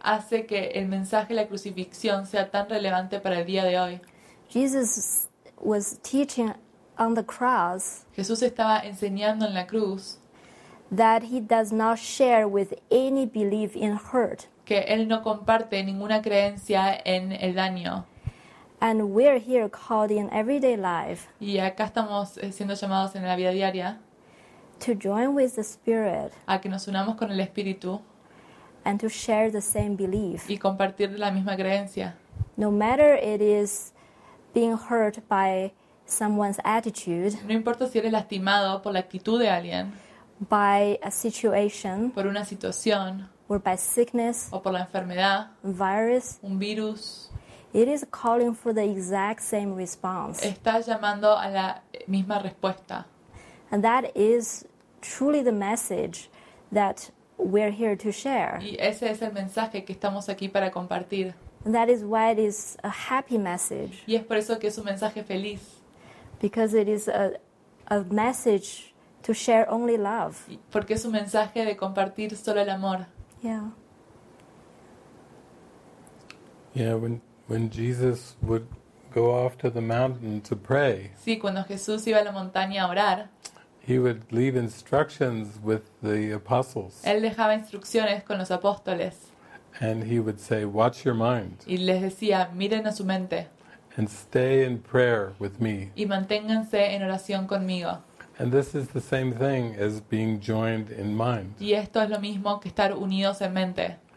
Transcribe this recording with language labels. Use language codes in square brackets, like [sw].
[es] Hace que el mensaje de la crucifixión sea tan relevante para el día de hoy. [en] Jesus was teaching on the cross. [es] Jesús estaba enseñando en la cruz. [en] That he does not share with any belief in hurt. [es] Que él no comparte ninguna creencia en el daño. [en] And we're here called in everyday life. [es] Y acá estamos siendo llamados en la vida diaria. [en] To join with the Spirit. [es] A que nos unamos con el Espíritu. [en] And to share the same belief. [es] Y compartir la misma creencia. [en] No matter it is being hurt by someone's attitude. [es] No importa si eres lastimado por la actitud de alguien. [en] By a situation, [es] por una situación, [en] or by sickness, [es] o por la enfermedad, [en] virus, [es] un virus, [en] it is calling for the exact same response. [es] Está llamando a la misma respuesta. [en] And that is truly the message that we're here to share. [es] Y ese es el mensaje que estamos aquí para compartir. [en] And that is why it is a happy message. [es] Y es por eso que es un mensaje feliz. [en] Because it is a message to share only love. [es] Porque es un mensaje de compartir solo el amor. [en] Yeah. Yeah, when Jesus would go off to the mountain to pray. [es] Sí, cuando Jesús iba a la montaña a orar. [en] He would leave instructions with the apostles. [es] Él dejaba instrucciones con los apóstoles. [en] And he would say, "Watch your mind." [es] Y les decía, "Miren a su mente." [en] And stay in prayer with me. [es] Y manténganse en oración conmigo. [en] And this is the same thing as being joined in mind. [es] Y esto es lo mismo que estar unidos en mente.